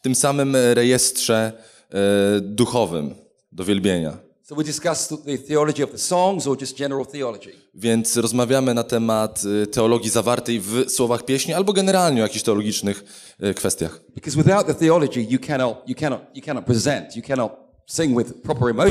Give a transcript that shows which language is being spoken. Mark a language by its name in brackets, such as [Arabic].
[Polish] tym samym rejestrze duchowym do wielbienia. [English] So we discuss the theology of the songs or just general theology. [Polish] Więc rozmawiamy na temat teologii zawartej w słowach pieśni albo generalnie o jakichś teologicznych kwestiach. [English] Because without the theology you cannot present, you cannot sing with proper emotion.